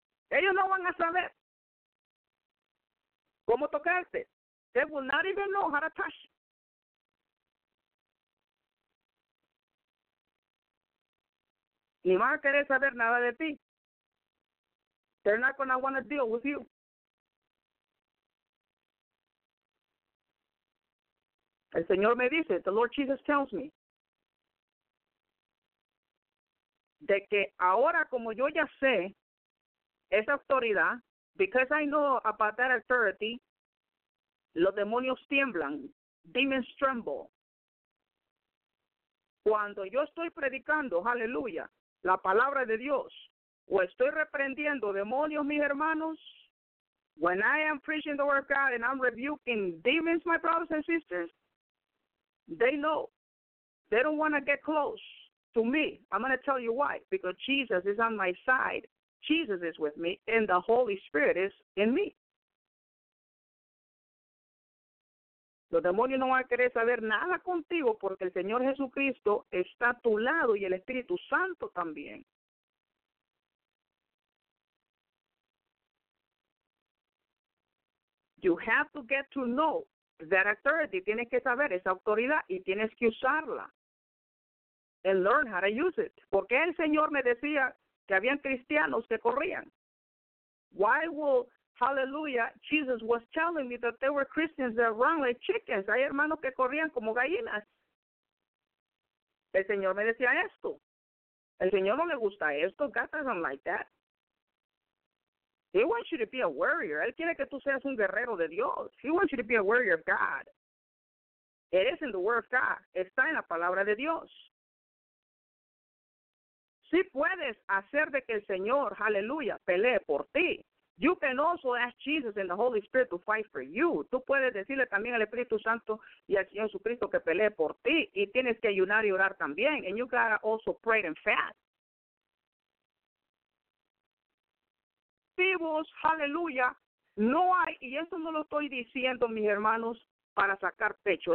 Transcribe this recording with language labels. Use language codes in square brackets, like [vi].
[es] Ellos no van a saber cómo tocarte. [en] They will not even know how to touch you. [es] Ni van a querer saber nada de ti. [en] They're not going to want to deal with you. [es] El Señor me dice, [en] the Lord Jesus tells me, [es] de que ahora como yo ya sé esa autoridad, [en] because I know about that authority, [es] los demonios tiemblan, [en] demons tremble. [es] Cuando yo estoy predicando, aleluya, la palabra de Dios, o estoy reprendiendo demonios, mis hermanos, [en] when I am preaching the word of God and I'm rebuking demons, my brothers and sisters, they know. They don't want to get close to me. I'm going to tell you why. Because Jesus is on my side. Jesus is with me, and the Holy Spirit is in me. [es] Los demonios no van a querer saber nada contigo porque el Señor Jesucristo está a tu lado y el Espíritu Santo también. [en] You have to get to know that authority. [es] Tienes que saber esa autoridad y tienes que usarla. [en] And learn how to use it. [es] Porque el Señor me decía que habían cristianos que corrían. [en] Why will, hallelujah, Jesus was telling me that there were Christians that run like chickens. [es] Hay hermanos que corrían como gallinas. El Señor me decía esto. El Señor no le gusta esto. [en] God doesn't like that. He wants you to be a warrior. Él quiere que tú seas un guerrero de Dios. He wants you to be a warrior of God. It is in the word of God. [es] Está en la palabra de Dios. Si puedes hacer de que el Señor, hallelujah, pelee por ti. [en] You can also ask Jesus and the Holy Spirit to fight for you. [es] Tú puedes decirle también al Espíritu Santo y al Señor Jesucristo que pelee por ti. Y tienes que ayunar y orar también. [en] And you gotta also pray and fast. [es] Vivos, hallelujah, no hay, y esto no lo estoy diciendo, mis hermanos, para sacar pecho.